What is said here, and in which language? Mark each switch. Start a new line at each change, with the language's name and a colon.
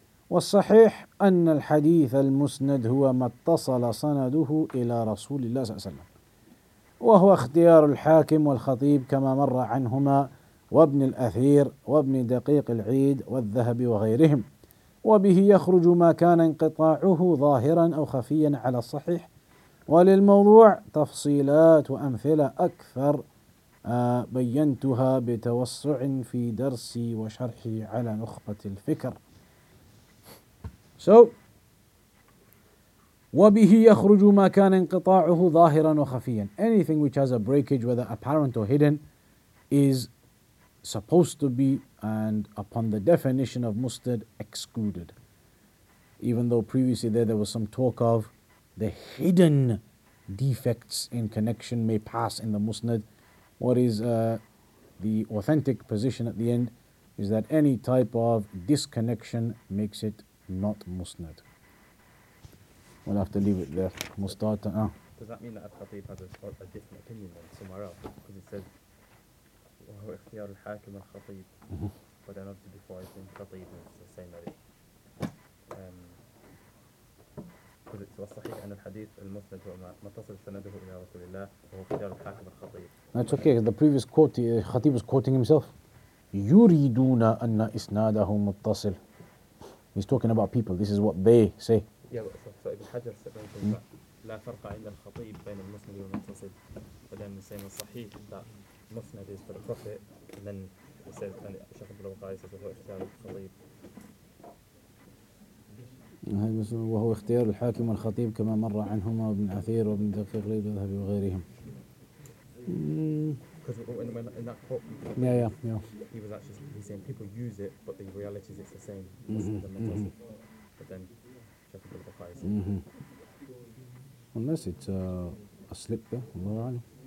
Arabic: والصحيح أن الحديث المسند هو ما اتصل سنده إلى رسول الله صلى الله عليه وسلم وهو اختيار الحاكم والخطيب كما مر عنهما وابن الأثير وابن دقيق العيد والذهبي وغيرهم وبه يخرج ما كان انقطاعه ظاهرا أو خفيا على الصحيح وللموضوع تفصيلات وأمثلة أكثر بينتها بتوسع في درسي وشرحي على نخبة الفكر. So وبه يخرج ما كان انقطاعه ظاهرا وخفيا.
English: Anything which has a breakage, whether apparent or hidden, is supposed to be, and upon the definition of mustad, excluded. Even though previously there was some talk of the hidden defects in connection may pass in the musnad. What is the authentic position at the end is that any type of disconnection makes it not musnad. We'll have to leave it there. Mustata. Does that mean that Al-Khatib has a different opinion than somewhere else? Because it says
Arabic: وهو اختيار الحاكم الخطيب.
English: But I noted before, I think خطيب is the same way.
Arabic: وصحيح أن الحديث المسند هو ما تصل سنده إلى رسول الله وهو اختيار الحاكم الخطيب.
English: That's okay. The previous quote, Khatib was quoting himself.
Arabic: يريدون أن إسناده متصل.
English: He's talking about people. This is what they say. Yeah, so Ibn Hajar said something.
Arabic: لا فرق عند الخطيب بين المسند والمتصل.
English: But then the same is صحيح that مسند is for the prophet. And then he says, and شيخ عبد الوقاي says,
Arabic: وهو اختيار الخطيب. وهو اختيار الحاكم والخطيب كما مر عنهما ابن عثير وابن دقيق للذهبي وغيرهم.
English: Because in that quote, he was actually saying people use it, but the reality is it's the same. But then, check the book. Unless it's a slip there, Allah A'lam.